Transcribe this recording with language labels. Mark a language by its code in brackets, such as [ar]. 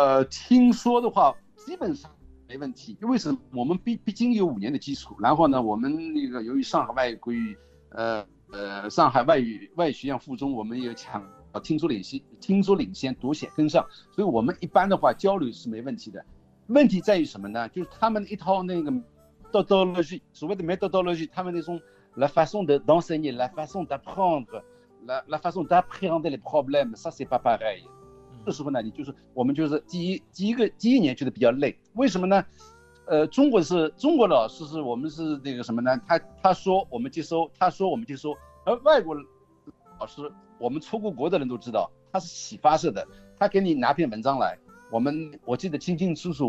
[zh] 听说的话，基本上没问题。为什么？我们毕竟有5年的基础，然后呢，我们那个由于上海外语，上海外语学院附中，我们有强。听说领先，读写跟上，所以我们一般的话交流是没问题的。问题在于什么呢？就是他们一套那个 [fr] methodology， [zh] 所谓的 [fr] methodology， [zh] 他们那种 [fr] la façon de d'enseigner la façon d'apprendre la façon d'appréhender les problèmes，ça c'est pas pareil。 [zh] 这时候呢，你就是我们就是第一年觉得比较累，为什么呢？中国老师是我们是那个什么呢？他说我们接收，而外国老师。我们出过国的人都知道，他是启发式的。他给你拿篇文章来，我记得清清楚楚。